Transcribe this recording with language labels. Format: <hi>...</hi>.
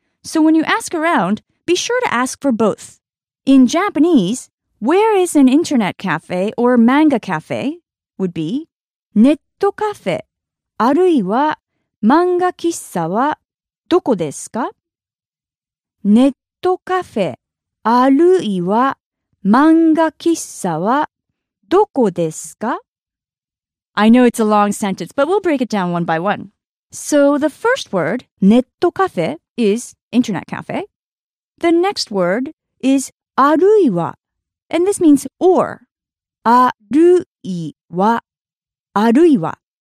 <en>So when you ask around, be sure to ask for both. In Japanese,Where is an internet cafe or manga cafe would be</en> <ja>ネットカフェあるいは漫画喫茶はどこですか? ネットカフェあるいは漫画喫茶はどこですか?</ja> <en>I know it's a long sentence, but we'll break it down one by one. So the first word, ネットカフェ, is internet cafe. The next word is あるいはAnd this means or.</en> <ja>Aru I wa. Aru I wa.</ja>